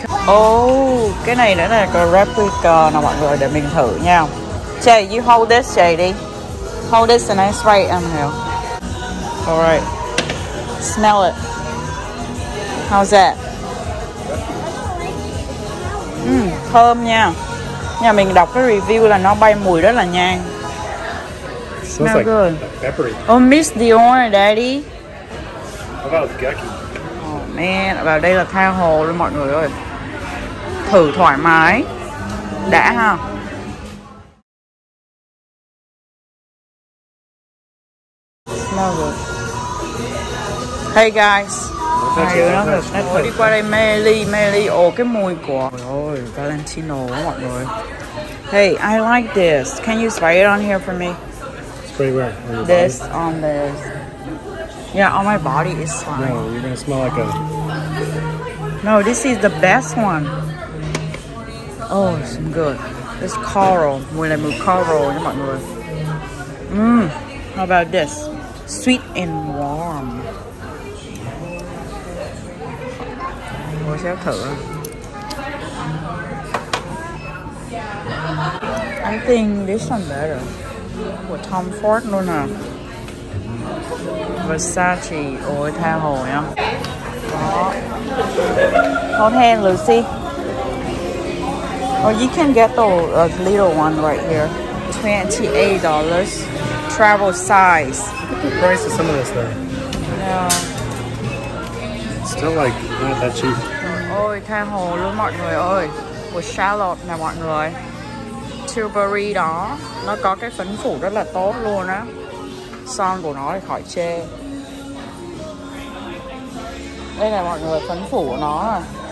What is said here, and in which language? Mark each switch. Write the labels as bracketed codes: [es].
[vi] Oh, cái này nữa là cái replica nè mọi người, để mình thử nha. [en] Jay, you hold this, Jay đi. Hold this and I spray it on here. Alright. Smell it. How's that? [vi] Thơm nha. Nhà mình đọc cái review là nó bay mùi rất là nhanh. [en] Smells like good. Peppery. Oh, Miss Dior, Daddy. How about Gucci? Oh man, [vi] và đây là tha hồ luôn mọi người ơi. Thử thoải mái. Đã ha. [en] Smell good. Hey guys. [vi] Nó đi qua đây Melly. Ồ, cái mùi của Valentino mọi người. [en] Hey, I like this. Can you spray it on here for me? This body? On this. Yeah, on my body is fine. No, you're gonna smell like a... No, this is the best one. Oh, it's good. It's coral. [vi] Mùi này mùi coral nha mọi người. [en] How about this? Sweet and warm. [vi] Tôi sẽ thử. [en] I think this one better. [vi] Của Tom Ford luôn à. Versace. Ôi, tha hồ nha. [en] Hold hand, Lucy. Oh, you can get the little one right here. $28. Travel size. The price of some of this though. Yeah. Still like not that cheap. [vi] Ôi, tha hồ luôn mọi người ơi. Của Charlotte nè mọi người. Tilbury đó, nó có cái phấn phủ rất là tốt luôn á. Son của nó thì khỏi chê. Đây này mọi người, phấn phủ của nó à.